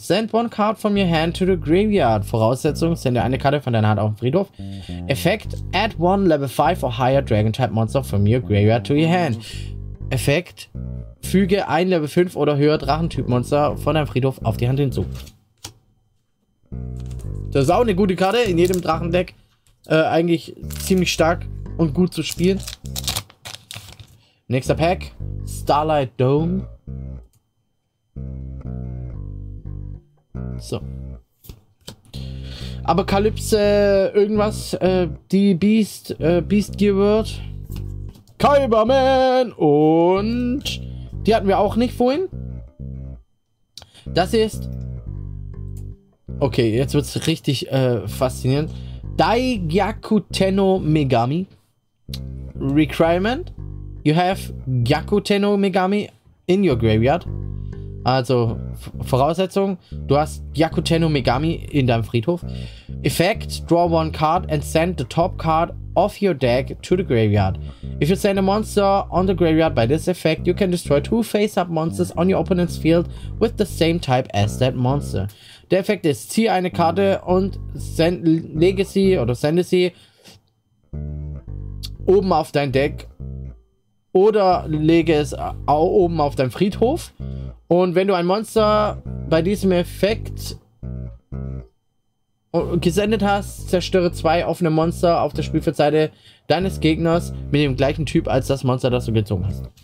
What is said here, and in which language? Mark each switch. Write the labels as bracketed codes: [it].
[en] Send one card from your hand to the graveyard. [de] Voraussetzung, sende eine Karte von deiner Hand auf den Friedhof. Effekt, [en] add one level 5 or higher dragon type monster from your graveyard to your hand. [de] Effekt, füge ein level 5 oder höher Drachentyp Monster von deinem Friedhof auf die Hand hinzu. Das ist auch eine gute Karte in jedem Drachendeck. Eigentlich ziemlich stark und gut zu spielen. Nächster Pack, Starlight Dome. So. Apokalypse, irgendwas, die Beast, Beast Gear World. Kaiberman! Und die hatten wir auch nicht vorhin. Das ist. Okay, jetzt wird es richtig faszinierend. Daigyaku Tenno Megami. [en] Requirement. You have Gyaku Tenno Megami in your graveyard. [de] Also, Voraussetzung, du hast Gyaku Tenno Megami in deinem Friedhof. [en] Effect, draw one card and send the top card of your deck to the graveyard. If you send a monster on the graveyard by this effect, you can destroy two face-up monsters on your opponent's field with the same type as that monster. [de] Der Effekt ist, ziehe eine Karte und lege sie oder sende sie oben auf dein Deck oder lege es auch oben auf dein Friedhof. Und wenn du ein Monster bei diesem Effekt gesendet hast, zerstöre zwei offene Monster auf der Spielfeldseite deines Gegners mit dem gleichen Typ als das Monster, das du gezogen hast.